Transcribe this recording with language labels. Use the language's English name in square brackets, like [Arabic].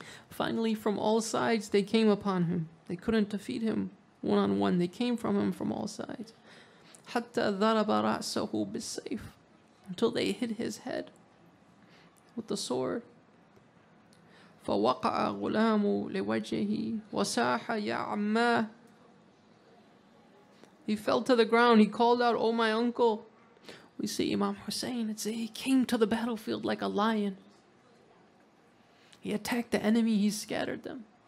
[English] Finally, from all sides, they came upon him. They couldn't defeat him one on one. They came from him from all sides. [Arabic] حتى ضرب رأسه بالسيف, [English] until they hit his head with the sword. [Arabic] فوقع غلام لوجهه وساح يا عما. [English] He fell to the ground. He called out, "Oh my uncle!" We see Imam Hussein. It's he came to the battlefield like a lion. He attacked the enemy. He scattered them.